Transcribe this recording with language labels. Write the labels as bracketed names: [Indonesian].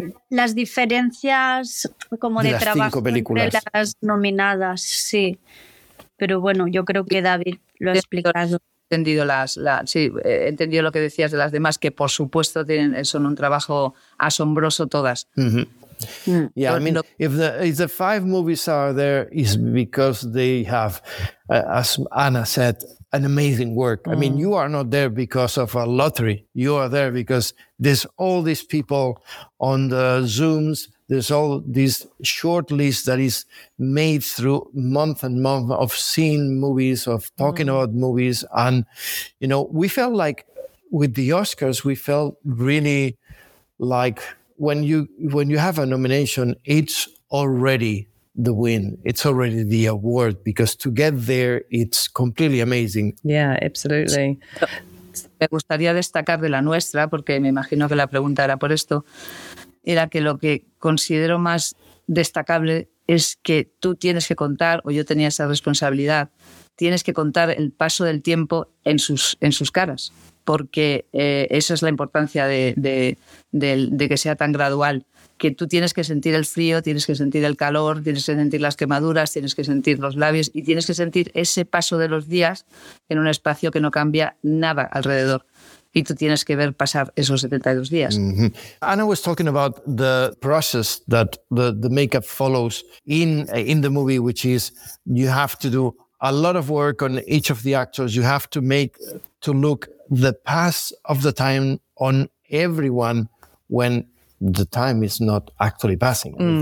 [Spanish] Las diferencias como de trabajo entre las nominadas, sí. Pero bueno, yo creo que David lo ha explicado. He entendido lo que decías de las demás, que por supuesto son un trabajo asombroso todas. Mm-hmm. [English] Yeah, if the five movies are there, it's because they have, as Anna said, an amazing work. Mm-hmm. I mean, you are not there because of a lottery. You are there because there's all these people on the Zooms. There's all this short list that is made through month and month of seeing movies, of talking about movies. And, you know, we felt like with the Oscars, we felt really like when you have a nomination, it's already the win. It's already the award, because to get there, it's completely amazing. Yeah, absolutely. [Spanish] Me gustaría destacar de la nuestra, porque me imagino que la pregunta era por esto, era que lo que considero más destacable es que tú tienes que contar, o yo tenía esa responsabilidad, tienes que contar el paso del tiempo en sus caras, porque esa es la importancia de que sea tan gradual, que tú tienes que sentir el frío, tienes que sentir el calor, tienes que sentir las quemaduras, tienes que sentir los labios y tienes que sentir ese paso de los días en un espacio que no cambia nada alrededor. Y tú tienes que ver pasar esos 72 días. Mm-hmm. [English] Anna was talking about the process that the makeup follows in the movie, which is you have to do a lot of work on each of the actors. You have to make to look the pass of the time on everyone when the time is not actually passing. Mm.